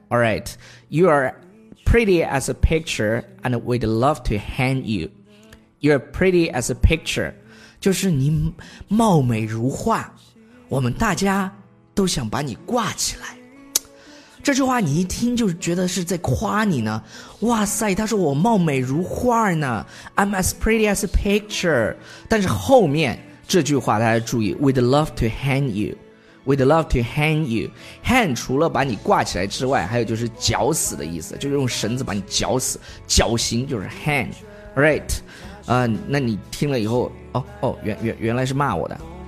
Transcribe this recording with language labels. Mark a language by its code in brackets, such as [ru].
[en] Alright, you are pretty as a picture and we'd love to hang you. You're pretty as a picture. [zh] 就是你貌美如画，我们大家都想把你挂起来。这句话你一听就觉得是在夸你呢。哇塞，他说我貌美如画呢， [en] I'm as pretty as a picture。 [zh] 但是后面这句话大家注意， [en] We'd love to hang you， We'd love to hang you。 [zh] Hang 除了把你挂起来之外，还有就是绞死的意思，就是用绳子把你绞死，绞刑就是 hang。 Right，那你听了以后，原来是骂我的。